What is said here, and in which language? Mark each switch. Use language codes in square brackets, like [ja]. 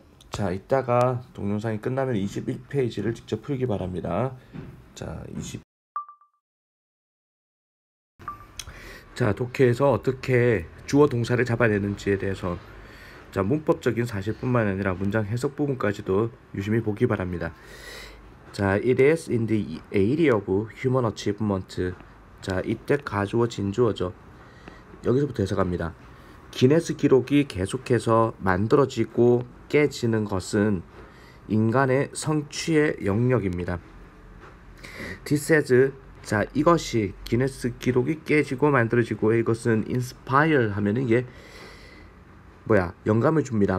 [ko] 자, 이따가 동영상이 끝나면 21페이지를 직접 풀기 바랍니다. 자, 독해에서 어떻게 주어 동사를 잡아내는지에 대해서 자, 문법적인 사실뿐만 아니라 문장 해석 부분까지도 유심히 보기 바랍니다. [en] 자, it is in the area of human achievement. [ko] 자, 이때 가주어 진주어죠. 여기서부터 해석합니다. 기네스 기록이 계속해서 만들어지고 깨지는 것은 인간의 성취의 영역입니다. [en] This is, [ko] 자, 이것이 기네스 기록이 깨지고 만들어지고 이것은 inspire 하면은 이게 뭐야? 영감을 줍니다.